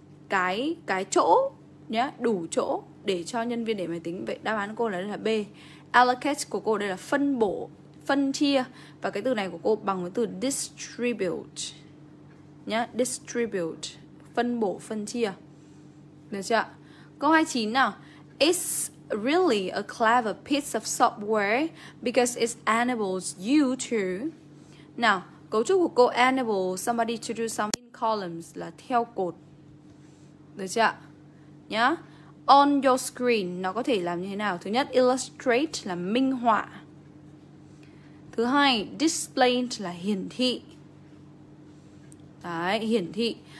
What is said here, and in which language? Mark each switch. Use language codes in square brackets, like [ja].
[vi] Cái chỗ nhá, đủ chỗ để cho nhân viên để máy tính. Vậy đáp án của cô là đây là B. Allocate của cô đây là phân bổ, phân chia, và cái từ này của cô bằng với từ distribute nhá, distribute, phân bổ, phân chia. Được chưa? Câu 29 nào. [en] It's really a clever piece of software because it enables you to. [vi] Nào, cấu trúc của cô [en] enable somebody to do something in columns [vi] là theo cột. Được chưa? Nhá. [en] On your screen [vi] nó có thể làm như thế nào? Thứ nhất illustrate là minh họa. Thứ hai display là hiển thị. Đấy, hiển thị.